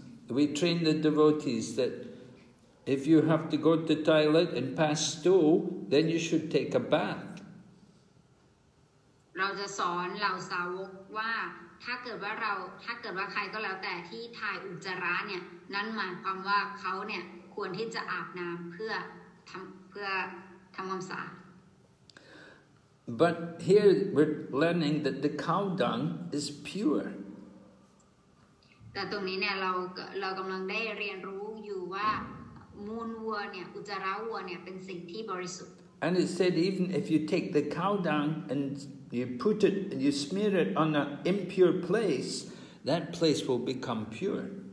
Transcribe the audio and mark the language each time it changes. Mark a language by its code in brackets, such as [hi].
[en] We train the devotees that if you have to go to the toilet and pass stool, then you should take a bath. [th] เราจะสอนเหล่าสาวกว่าถ้าเกิดว่าใครก็แล้วแต่ที่ถ่ายอุจจาระเนี่ยนั่นหมายความว่าเขาเนี่ยควรที่จะอาบน้ำเพื่อทำความสะอาด [en] But here we're learning that the cow dung is pure [th] แต่ตรงนี้เนี่ยเรากำลังได้เรียนรู้อยู่ว่ามูลวัวเนี่ยอุจจาระวัวเนี่ยเป็นสิ่งที่บริสุทธิ์ [en] And it said even if you take the cow dung andYou put it and you smear it on an impure place, that place will become pure.